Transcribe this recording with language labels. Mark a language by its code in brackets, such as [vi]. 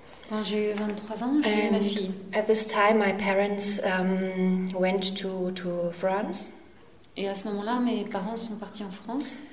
[fr] Quand j'ai eu 23 ans, j'ai eu ma fille. [en] At this time, my parents went to France. [fr] Et à ce moment-là, mes parents sont partis en France.